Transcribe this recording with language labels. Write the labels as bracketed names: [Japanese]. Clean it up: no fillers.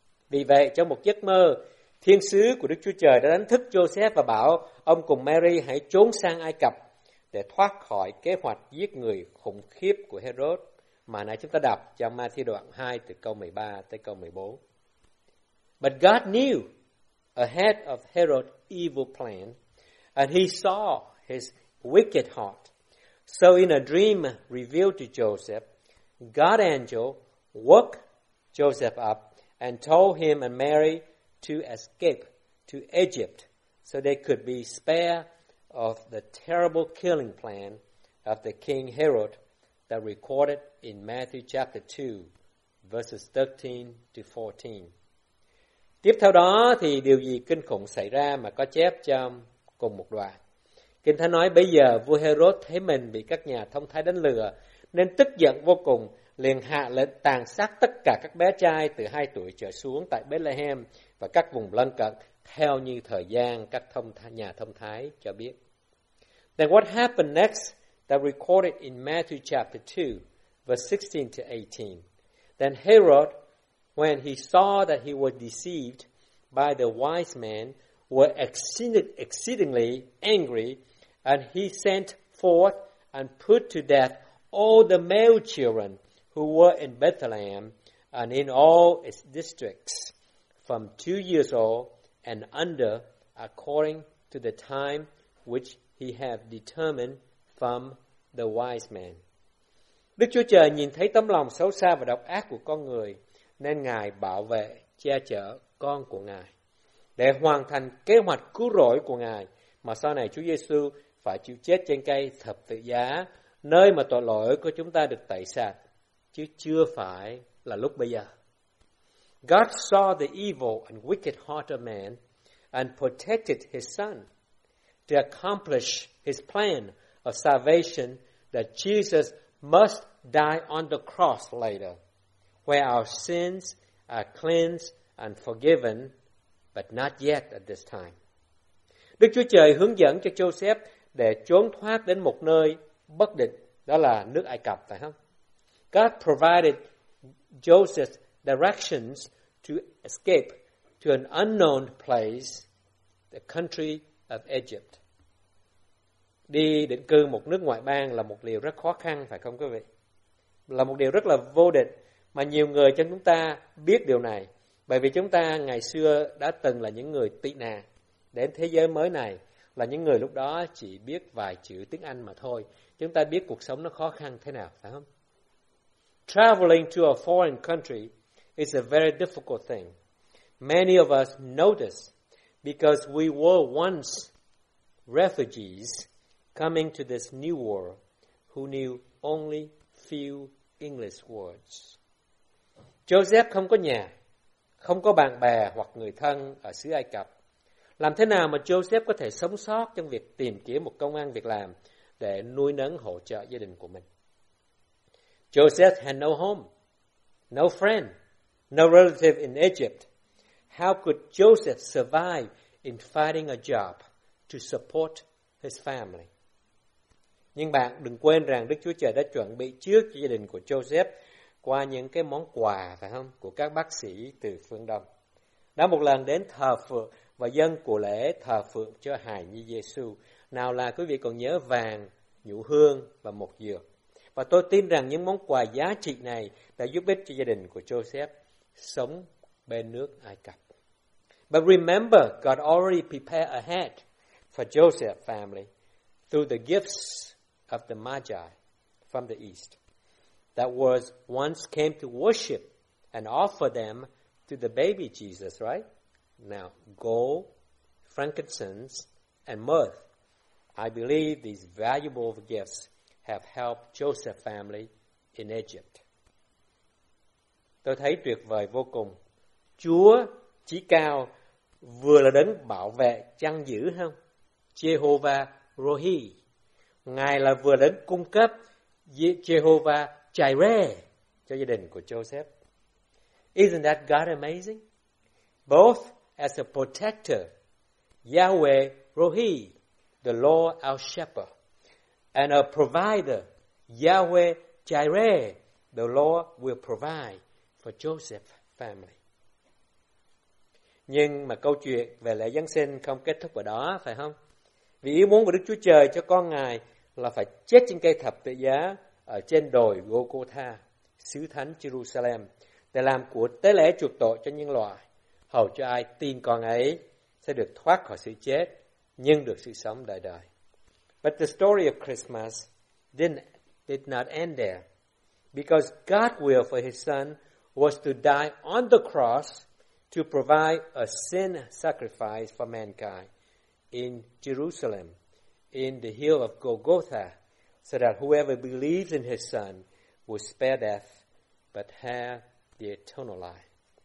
[Vietnamese] Vì vậy, trong một giấc mơ, thiên sứ của Đức Chúa Trời đã đánh thức Joseph và bảo ông cùng Mary hãy trốn sang Ai Cập để thoát khỏi kế hoạch giết người khủng khiếp của Herod mà nãy chúng ta đọc trong Ma-thi đoạn 2 từ câu 13 tới câu 14. [English] But God knew ahead of Herod's evil plan, and he saw his wicked heart. So in a dream revealed to Joseph, God's angel woke Joseph up and told him and Mary to escape to Egypt so they could be spared of the terrible killing plan of the king Herod that recorded in Matthew chapter 2, verses 13 to 14. [Vietnamese] Tiếp theo đó thì điều gì kinh khủng xảy ra mà có chép trong cùng một đoạn. Kinh Thánh nói bây giờ vua Herod thấy mình bị các nhà thông thái đánh lừa nên tức giận vô cùng, liền hạ lệnh tàn sát tất cả các bé trai từ 2 tuổi trở xuống tại Bethlehem và các vùng lân cận theo như thời gian các nhà thông thái cho biết. [English] Then what happened next that recorded in Matthew chapter 2, verse 16 to 18. Then Herod, when he saw that he was deceived by the wise men, were exceedingly angry, and he sent forth and put to death all the male children who were in Bethlehem and in all its districts from 2 years old and under, according to the time which he had determined from the wise men. [Vietnamese] Đức Chúa Trời nhìn thấy tấm lòng xấu xa và độc ác của con người, nên Ngài bảo vệ, che chở con của Ngài, để hoàn thành kế hoạch cứu rỗi của Ngài, mà sau này Chúa Giê-xu phải chịu chết trên cây thập tự giá, nơi mà tội lỗi của chúng ta được tẩy sạch, chứ chưa phải là lúc bây giờ. [English] God saw the evil and wicked heart of man and protected his son to accomplish his plan of salvation that Jesus must die on the cross later, where our sins are cleansed and forgiven, but not yet at this time. [Vietnamese] Đức Chúa Trời hướng dẫn cho Joseph để trốn thoát đến một nơi bất định, đó là nước Ai Cập, phải không? [English] God provided Joseph directions to escape to an unknown place, the country of Egypt. [Vietnamese] Đi định cư một nước ngoại bang là một điều rất khó khăn, phải không quý vị? Là một điều rất là vô định, mà nhiều người trong chúng ta biết điều này, bởi vì chúng ta ngày xưa đã từng là những người tị nạn đến thế giới mới này, là những người lúc đó chỉ biết vài chữ tiếng Anh mà thôi. Chúng ta biết cuộc sống nó khó khăn thế nào, phải không? [English] Traveling to a foreign country is a very difficult thing. Many of us notice because we were once refugees coming to this new world who knew only few English words. [Vietnamese] Joseph không có nhà, không có bạn bè hoặc người thân ở xứ Ai Cập. Làm thế nào mà Joseph có thể sống sót trong việc tìm kiếm một công ăn việc làm để nuôi nấng hỗ trợ gia đình của mình? [English] Joseph had no home, no friend, no relative in Egypt. How could Joseph survive in finding a job to support his family? [Vietnamese] Nhưng bạn đừng quên rằng Đức Chúa Trời đã chuẩn bị trước gia đình của Joseph qua những cái món quà, phải không, của các bác sĩ từ phương Đông. Đã một lần đến thờ phượng và dâng của lễ thờ phượng cho hài nhi Giê-xu. Nào là quý vị còn nhớ vàng, nhũ hương và mộc dược. Và tôi tin rằng những món quà giá trị này đã giúp ích cho gia đình của Joseph sống bên nước Ai Cập. [English] But remember, God already prepared ahead for Joseph's family through the gifts of the Magi from the east that was once came to worship and offer them to the baby Jesus, right? Now, gold, frankincense, and myrrh. I believe these valuable gifts have helped Joseph's family in Egypt. [Vietnamese] Tôi thấy tuyệt vời vô cùng. Chúa Chí Cao vừa là đấng bảo vệ chăn giữ không? Jehovah Rohi. Ngài là vừa đấng cung cấp Jehovah Jireh cho gia đình của Joseph. [English] Isn't that God amazing? Both as a protector, Yahweh Rohi, the Lord our Shepherd, and a provider, Yahweh Jireh, the Lord will provide for Joseph's family. [Vietnamese] Nhưng mà câu chuyện về lễ Giáng sinh không kết thúc ở đó, phải không? Vì ý muốn của Đức Chúa Trời cho con Ngài là phải chết trên cây thập tự giá ở trên đồi Gô-cô-tha, xứ thánh Jerusalem, để làm của tế lễ chuộc tội cho nhân loại, hầu cho ai tin con ấy sẽ được thoát khỏi sự chết, nhưng được sự sống đời đời. [English] But the story of Christmas did not end there, because God's will for His Son was to die on the cross to provide a sin sacrifice for mankind in Jerusalem, in the hill of Golgotha, so that whoever believes in His Son will spare death but have the eternal life.